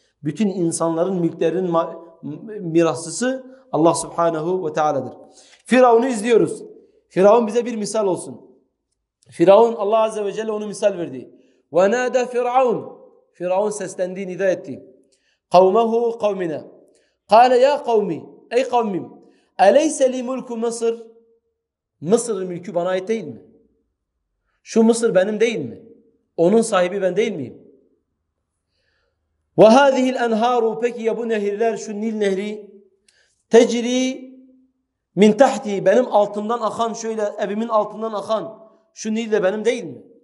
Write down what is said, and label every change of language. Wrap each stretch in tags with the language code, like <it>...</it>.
<tr>Bütün insanların mülklerinin mirasçısı Allah Subhanahu ve Teala'dır. Firavun'u izliyoruz. Firavun bize bir misal olsun. Firavun, Allah Azze ve Celle onu misal verdi.</tr> <ar>وَنَادَ فِرْعَوْنُ</ar> <tr>Firavun seslendi, nida etti.</tr> <ar>قَوْمَهُ قَوْمِنَا قَالَ يَا قَوْمِ</ar> <tr>Ey kavmim,</tr> <ar>اَلَيْسَ لِي مُلْكُ مَصِرْ</ar> <tr>Mısır'ın mülkü bana ait değil mi? Şu Mısır benim değil mi? Onun sahibi ben değil miyim?</tr> <ar>وَهَذِهِ الْاَنْهَارُ</ar> <tr>Peki ya bu nehirler, şu Nil nehri,</tr> <ar>تَجْرِي مِنْ تَحْتِي</ar> <tr>Benim altından akan, şöyle evimin altından akan şu Nil de benim değil mi?</tr>